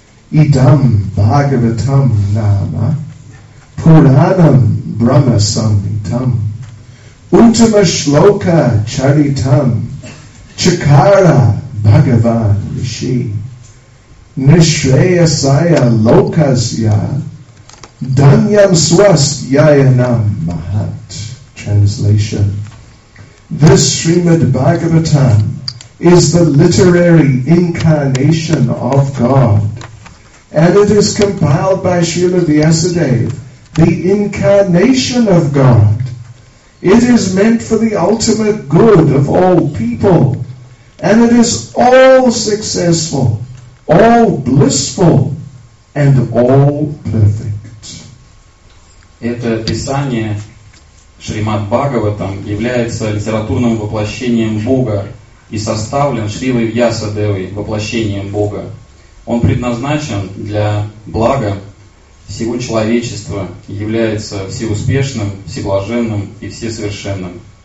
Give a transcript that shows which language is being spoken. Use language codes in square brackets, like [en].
[sa] Идам Бхагаватам нама Пуранам Брахма Самхитам Утама Шлока Чаритам Чакара Бхагаван Риши Нишреясая Локасья Даньям Свасьяянам Махат. [en] Translation. This Srimad Bhagavatam is the literary incarnation of God, and it is compiled by Srila Vyasadeva, the incarnation of God. It is meant for the ultimate good of all people, and it is all successful, all blissful, and all perfect. [ru] Это писание Шримад Бхагаватам является литературным воплощением Бога и составлен Шривой Вьясадевой, воплощением Бога. Он предназначен для блага всего человечества, является всеуспешным, всеблаженным и всесовершенным.